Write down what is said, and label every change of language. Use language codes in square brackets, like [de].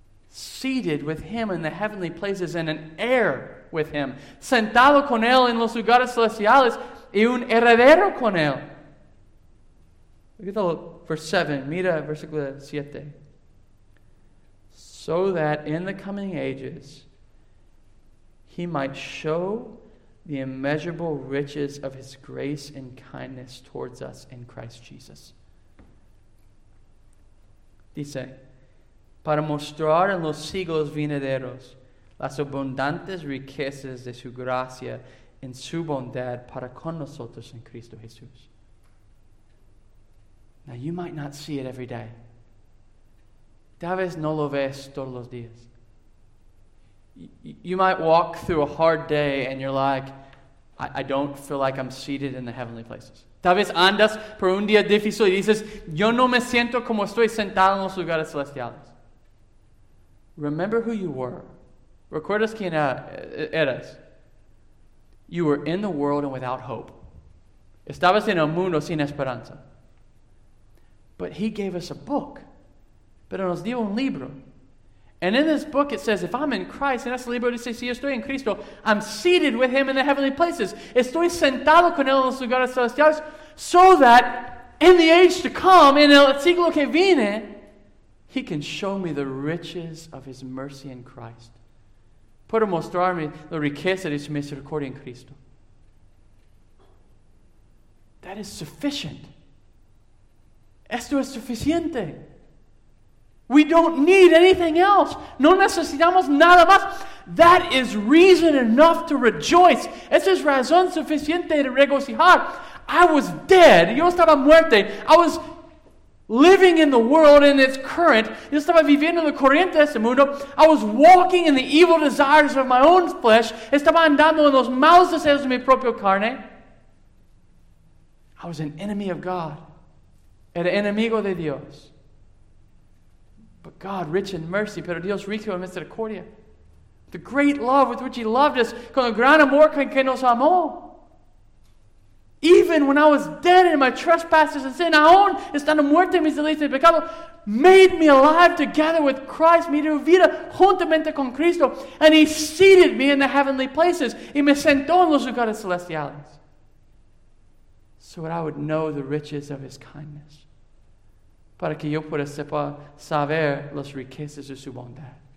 [en] Seated with him in the heavenly places and an heir with him. [es] Sentado con él en los lugares celestiales y un heredero con él. [en] Look at the verse 7. [es] Mira versículo 7. [en] So that in the coming ages he might show the immeasurable riches of his grace and kindness towards us in Christ Jesus. [es] Dice, para mostrar en los siglos venideros las abundantes riquezas de su gracia en su bondad para con nosotros en Cristo Jesús. [en] Now you might not see it every day. [es] Tal vez no lo ves todos los días. [en] You might walk through a hard day and you're like, I don't feel like I'm seated in the heavenly places. [es] Tal vez andas por un día difícil y dices, yo no me siento como estoy sentado en los lugares celestiales. [en] Remember who you were. [es] ¿Recuerdas quién eras? [en] You were in the world and without hope. [es] Estabas en el mundo sin esperanza. [en] But he gave us a book. [es] Pero nos dio un libro. [en] And in this book it says, if I'm in Christ, [es] en ese libro dice, si estoy en Cristo, [en] I'm seated with him in the heavenly places. [es] Estoy sentado con él en los lugares celestiales. [en] So that in the age to come, [es] en el siglo que viene, [en] he can show me the riches of his mercy in Christ. [es] Puedo mostrarme la riqueza de su misericordia en Cristo. [en] That is sufficient. [es] Esto es suficiente. [en] We don't need anything else. [es] No necesitamos nada más. [en] That is reason enough to rejoice. [es] Esa es razón suficiente de regocijar. [en] I was dead. [es] Yo estaba muerte. [en] I was living in the world in its current. [es] Yo estaba viviendo en la corriente de este mundo. [en] I was walking in the evil desires of my own flesh. [es] Estaba andando en los malos deseos de mi propia carne. [en] I was an enemy of God. [es] Era enemigo de Dios. [en] But God, rich in mercy, [es] pero Dios rico en misericordia. [en] The great love with which he loved us, [es] con el gran amor con que nos amó. [en] Even when I was dead in my trespasses and sin, [es] aún estando muerto en mis delitos y pecados, [en] made me alive together with Christ, [es] me dio vida juntamente con Cristo, [en] and he seated me in the heavenly places, [es] y me sentó en los lugares celestiales. [en] So that I would know the riches of his kindness. [es] Para que yo pueda saber las riquezas de su bondad.